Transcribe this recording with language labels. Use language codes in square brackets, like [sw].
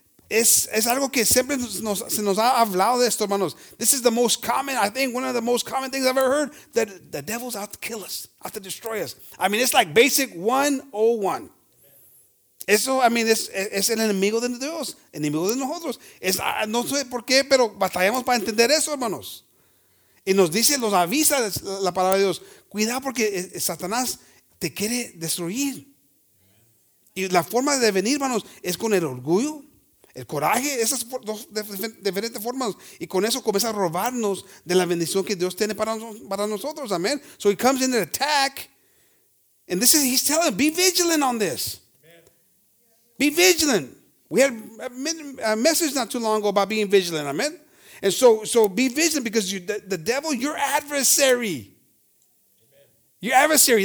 [es] Es algo que siempre se nos ha hablado de esto, hermanos. [en] This is the most common, I think, one of the most common things I've ever heard, that the devil's out to kill us, out to destroy us. I mean, it's like basic 101. [es] Eso, [en] I mean, [es] es el enemigo de Dios, enemigo de nosotros. No sé por qué, pero batallamos para entender eso, hermanos. Y nos dice, nos avisa la palabra de Dios. Cuidado porque Satanás te quiere destruir. Y la forma de venir, hermanos, es con el orgullo, el coraje, esas dos diferentes formas. Y con eso comienza a robarnos de la bendición que Dios tiene para nosotros. [en] Amén. So he comes in to attack. And this is, he's telling, be vigilant on this. Be vigilant. We had a message not too long ago about being vigilant. Amen. And so be vigilant because the devil, your adversary. Amen. Your adversary.